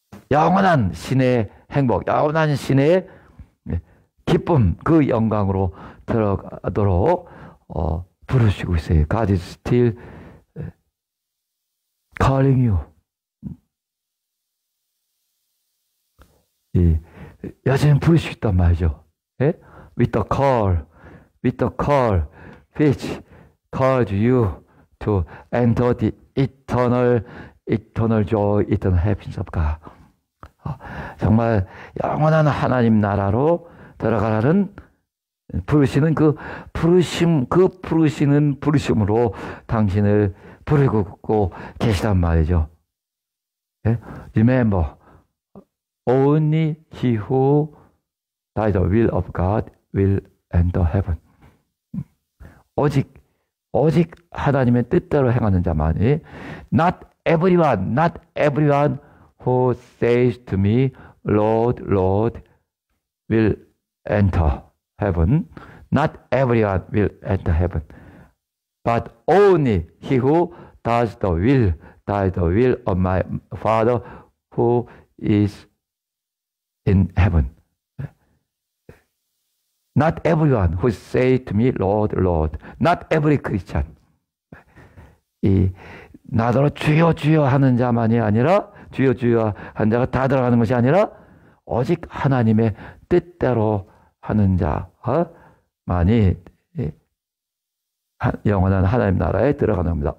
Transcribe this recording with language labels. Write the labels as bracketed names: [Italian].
[Korean] 영원한 신의 행복, 영원한 신의 기쁨, 그 영광으로 들어가도록 부르시고 있어요. [English] God is still calling you. [Korean] 예, 여전히 부를 수 있단 말이죠. 예? [English] With the call, which calls you to enter the eternal joy, eternal happiness of God. [Korean] 정말 영원한 하나님 나라로 들어가라는 부르시는 그 부르심, 그 부르시는 부르심으로 당신을 부르고 계시단 말이죠. 예? [English] Remember, only he who by the will of God will enter heaven. [Korean] 오직 하나님의 뜻대로 행하는 자만이, [English] not everyone who says to me, Lord, Lord, will enter heaven. Not everyone will enter heaven. But only he who does the will of my Father who is in heaven. Not everyone who say to me, Lord, Lord. Not every Christian. [Korean] 이 나더러 주여 주여 하는 자만이 아니라, 주여 주여 한 자가 다 들어가는 것이 아니라, 오직 하나님의 뜻대로 하는 자만이 영원한 하나님 나라에 들어가는 겁니다.